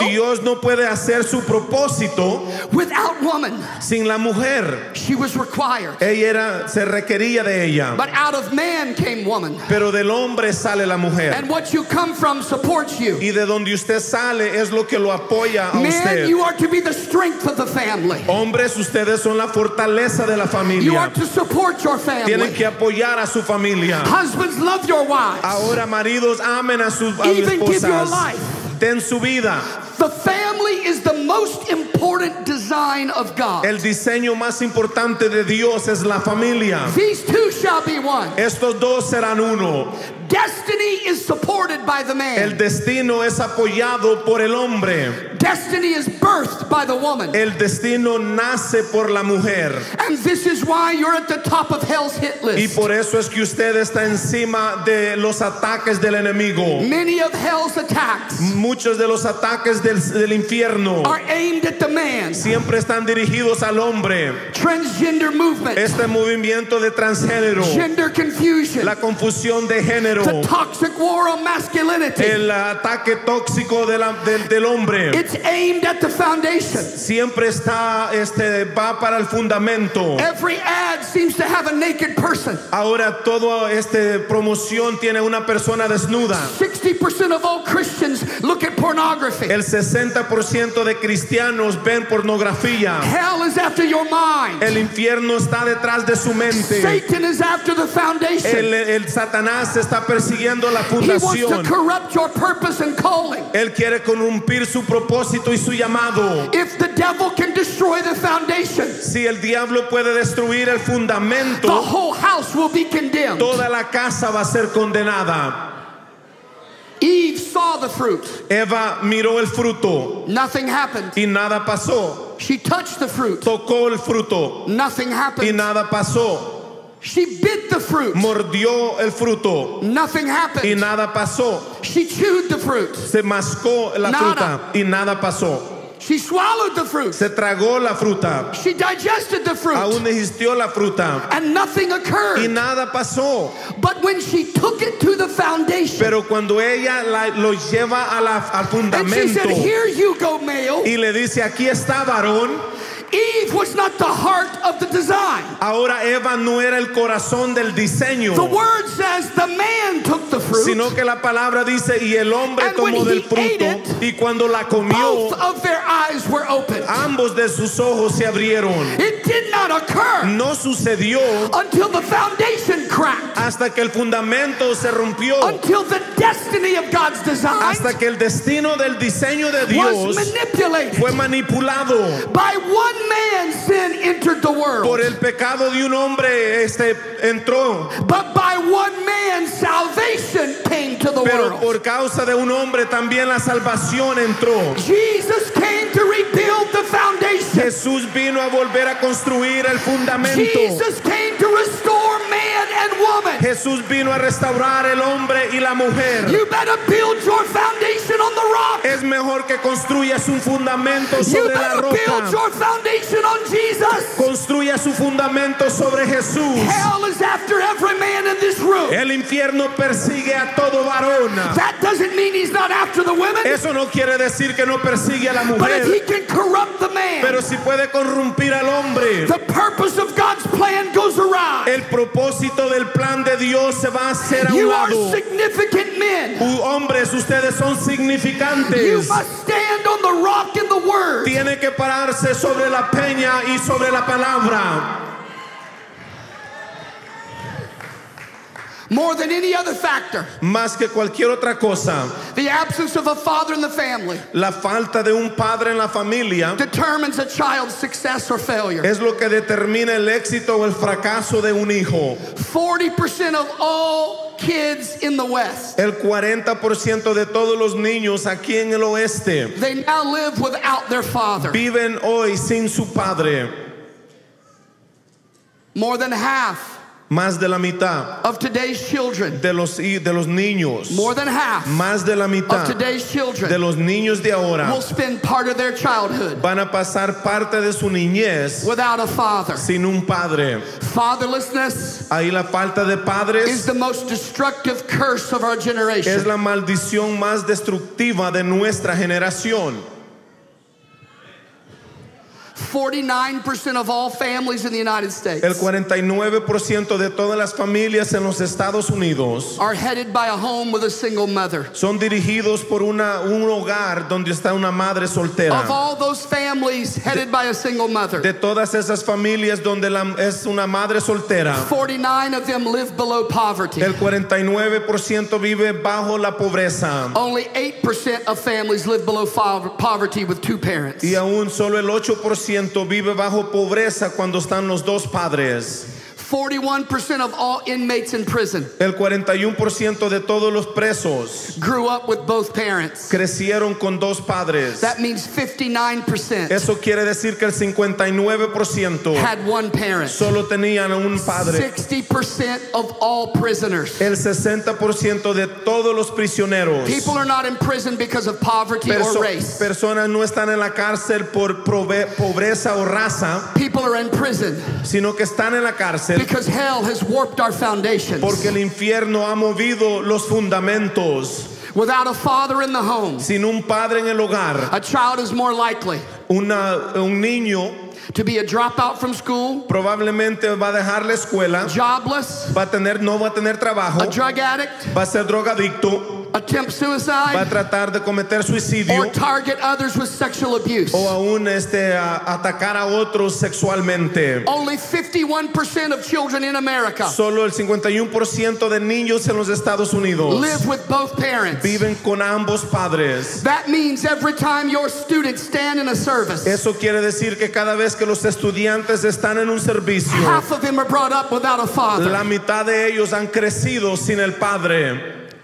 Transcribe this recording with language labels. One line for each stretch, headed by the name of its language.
Spanish: Dios no puede hacer su propósito
English: without woman.
Spanish: Sin la mujer.
English: She was required.
Spanish: Ella era, se requería de ella.
English: But out of man came woman.
Spanish: Pero del hombre sale la mujer.
English: And what you come from supports you.
Spanish: Y de donde usted sale es lo que lo apoya a
English: man,
Spanish: usted.
English: Man, you are to be the strength of the family.
Spanish: Hombres, ustedes son la fortaleza de la familia.
English: You are to support your family.
Spanish: Tienen que apoyar a su familia.
English: Husbands, love your wives.
Spanish: Ahora maridos, amen a sus esposas.
English: Even give your life.
Spanish: Den su vida.
English: The family is the most important design of God.
Spanish: El diseño más importante de Dios es la familia.
English: These two shall be one.
Spanish: Estos dos serán uno.
English: Destiny is supported by the man.
Spanish: El destino es apoyado por el hombre.
English: Destiny is birthed by the woman.
Spanish: El destino nace por la mujer.
English: And this is why you're at the top of hell's hit list.
Spanish: Y por eso es que usted está encima de los ataques del enemigo.
English: Many of hell's attacks.
Spanish: Muchos de los ataques del infierno.
English: Are aimed at the man.
Spanish: Siempre están dirigidos al hombre.
English: Transgender movement.
Spanish: Este movimiento de transgénero.
English: Gender confusion.
Spanish: La confusión de género.
English: The toxic war on masculinity.
Spanish: El ataque tóxico del hombre.
English: It's aimed at the foundation.
Spanish: Siempre está va para el fundamento.
English: Every ad seems to have a naked person.
Spanish: Ahora todo promoción tiene una persona desnuda.
English: 60% of all Christians look at pornography.
Spanish: El 60% de cristianos ven pornografía.
English: Hell is after your mind.
Spanish: El infierno está detrás de su mente.
English: Satan is after the foundation.
Spanish: El Satanás está persiguiendo la fundación.
English: He wants to corrupt your purpose and calling.
Spanish: Él quiere corrompir su propósito y su llamado.
English: If the devil can destroy the foundation,
Spanish: si el diablo puede destruir el fundamento,
English: the whole house will be condemned.
Spanish: Toda la casa va a ser condenada.
English: Eve saw the fruit.
Spanish: Eva miró el fruto.
English: Nothing happened.
Spanish: Y nada pasó.
English: She touched the fruit.
Spanish: Tocó el fruto.
English: Nothing happened.
Spanish: Y nada pasó.
English: She bit the fruit.
Spanish: Mordió el fruto.
English: Nothing happened.
Spanish: Y nada pasó.
English: She chewed the fruit.
Spanish: Se mascó la nada. Fruta. Y nada pasó.
English: She swallowed the fruit.
Spanish: Se tragó la fruta.
English: She digested the fruit.
Spanish: Aún digirió la fruta.
English: And nothing occurred.
Spanish: Y nada pasó.
English: But when she took it to the foundation.
Spanish: Pero cuando ella lo lleva al fundamento.
English: And she said, "Here you go, male."
Spanish: Y le dice, "Aquí está, varón."
English: Eve was not the heart of the design.
Spanish: Ahora Eva no era el corazón del diseño.
English: The word says the man took the fruit.
Spanish: Sino que la palabra dice y el hombre
English: and
Spanish: tomó del fruto.
English: It,
Spanish: y cuando la comió,
English: both of their eyes were opened.
Spanish: Ambos de sus ojos se abrieron.
English: It did not occur.
Spanish: No sucedió
English: until the foundation cracked.
Spanish: Hasta que el fundamento se rompió.
English: Until the destiny of God's design.
Spanish: Hasta que el destino del diseño de Dios
English: was manipulated.
Spanish: Fue manipulado.
English: By what? One man sin entered the world.
Spanish: Por el pecado de un hombre entró.
English: But by one man salvation came to the
Spanish: Pero
English: world.
Spanish: Por causa de un hombre también la salvación entró.
English: Jesus came to rebuild the foundation.
Spanish: Jesús vino a volver a construir el fundamento.
English: Jesus came to restore man and woman.
Spanish: Jesús vino a restaurar el hombre y la mujer.
English: You better build your foundation on the rock.
Spanish: Es mejor que construyas un fundamento sobre la roca.
English: You better build your foundation on Jesus.
Spanish: Construya su fundamento sobre Jesús.
English: Hell is after every man in this room.
Spanish: El infierno persigue a todo varón.
English: That doesn't mean he's not after the women.
Spanish: Eso no quiere decir que no persigue a la mujer.
English: But if he can corrupt the man.
Spanish: Pero si puede corrompir al hombre.
English: The purpose of God's plan goes awry.
Spanish: El propósito del plan de Dios se va a hacer
English: you
Spanish: a un lado.
English: You are significant men.
Spanish: Hombres, ustedes son significantes.
English: You must stand on the rock in the word.
Spanish: Tiene que pararse sobre la peña y sobre la palabra.
English: More than any other factor.
Spanish: Más que cualquier otra cosa.
English: The absence of a father in the family.
Spanish: La falta de un padre en la familia.
English: Determines a child's success or failure.
Spanish: Es lo que determina el éxito o el fracaso de un hijo.
English: 40% of all kids in the West.
Spanish: El 40% de todos los niños aquí en el oeste.
English: They now live without their father.
Spanish: Viven hoy sin su padre.
English: More than half.
Spanish: Más de la mitad
English: of today's children,
Spanish: de los niños,
English: more than half,
Spanish: más de la mitad
English: of today's children,
Spanish: de los niños de ahora,
English: will spend part of their childhood,
Spanish: van a pasar parte de su niñez,
English: without a father,
Spanish: sin un padre.
English: Fatherlessness,
Spanish: ahí la falta de padres,
English: is the most destructive curse of our generation.
Spanish: Es la maldición más destructiva de nuestra generación.
English: 49% of all families in the United States.
Spanish: El 49% de todas las familias en los Estados Unidos
English: are headed by a home with a single mother.
Spanish: Son dirigidos por un hogar donde está una madre soltera.
English: Of all those families headed by a single mother.
Spanish: De todas esas familias donde es una madre soltera.
English: 49 of them live below poverty.
Spanish: El 49% vive bajo la pobreza.
English: Only 8% of families live below poverty with two parents.
Spanish: Y aún solo el 8% vive bajo pobreza cuando están los dos padres.
English: 41% of all inmates in prison.
Spanish: El 41% de todos los presos
English: grew up with both parents.
Spanish: Crecieron con dos padres.
English: That means 59%.
Spanish: Eso quiere decir que el 59%
English: had one parent.
Spanish: Solo tenían un padre.
English: 60% of all prisoners.
Spanish: El 60% de todos los prisioneros.
English: People are not in prison because of poverty or race.
Spanish: Personas no están en la cárcel por pobreza o raza.
English: People are in prison.
Spanish: Sino que están en la cárcel.
English: Because hell has warped our foundations.
Spanish: Porque el infierno ha movido los fundamentos.
English: Without a father in the home.
Spanish: Sin un padre en el hogar.
English: A child is more likely.
Spanish: Un niño.
English: To be a dropout from school.
Spanish: Probablemente va a dejar la escuela.
English: Jobless.
Spanish: No va a tener trabajo.
English: A drug addict.
Spanish: Va a ser drogadicto.
English: A attempt suicide,
Spanish: va a tratar de cometer suicidio,
English: or target others with sexual abuse,
Spanish: o aún atacar a otros sexualmente.
English: Only 51% of children in America,
Spanish: solo el 51% de niños en los Estados Unidos,
English: live with both parents,
Spanish: viven con ambos padres.
English: That means every time your students stand in a service,
Spanish: eso quiere decir que cada vez que los estudiantes están en un servicio,
English: half of them are brought up without a father,
Spanish: la mitad de ellos han crecido sin el padre.